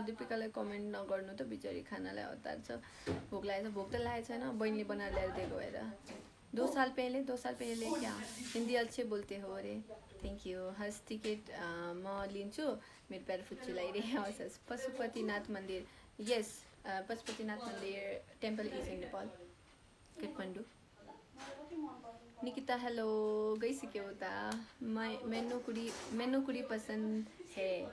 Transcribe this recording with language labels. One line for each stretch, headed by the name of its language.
Nepali: दिपिकालाई comment नगर्नु त. बिचरी खानालाई हतार छ. भोक लागेको छ? भोक त लागेको छैन. बहिनीले बनाएर ल्याएर दिएको भएर.
Hindi: दो साल पहले, दो साल पहले क्या? हिन्दी अच्छे बोलते हो रे.
English: Thank you.
Nepali: हस् टिकट म लिन्छु. मेरो प्यारो फुच्चीलाई रे. हस् हस्. पशुपतिनाथ मन्दिर. यस, पशुपतिनाथ मन्दिर
English: temple is in Nepal,
Nepali: Kathmandu. Nikita hello. गइसक्यो त.
Punjabi: मेनु कुडी पसन्द है.